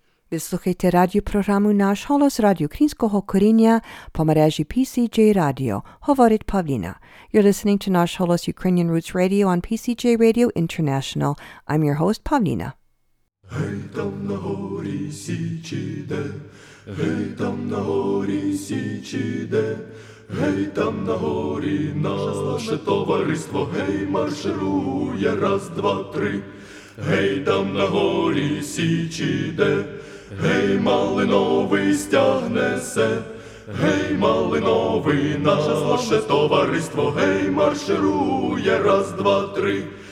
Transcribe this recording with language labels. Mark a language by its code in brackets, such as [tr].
[uk] Вислухайте радіопрограму «Наш голос» радіо Українського коріння по мережі PCJ Radio, говорить Павліна. [en] You're listening to «Наш голос» Ukrainian Roots Radio on PCJ Radio International. I'm your host, Павліна. [uk] Гей, там на горі Січі йде, гей, там на горі Січі йде, гей, там на горі наше товариство, гей, марширує, раз, два, три. Гей, там на горі Січі йде, гей, малиновий стяг несе, гей, малиновий наше товариство, гей, марширує, раз, два, три.